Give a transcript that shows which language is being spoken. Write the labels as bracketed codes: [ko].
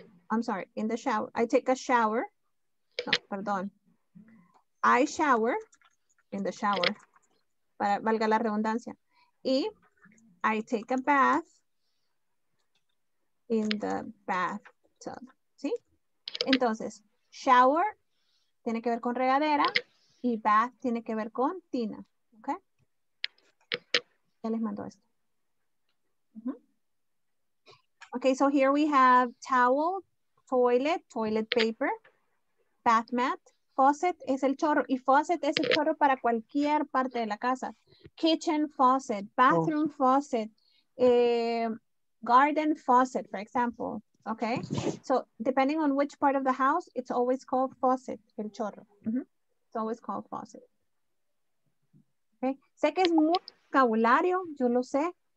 [en] I'm sorry, in the shower. I take a shower. [es] No, perdón. [en] I shower in the shower. [es] Para valga la redundancia. [en] Y I take a bath in the bathtub. [es] ¿Sí? Entonces, shower tiene que ver con regadera y bath tiene que ver con tina. ¿Ok? Ya les mando esto. [en] Okay, so here we have towel. Toilet, toilet paper, bath mat, faucet [es] es el chorro. Y faucet es el chorro para cualquier parte de la casa. [en] Kitchen faucet, bathroom faucet, garden faucet, for example. Okay, so depending on which part of the house, it's always called faucet, el chorro. It's always called faucet. [es] Okay, sé que es mucho vocabulario, yo lo sé.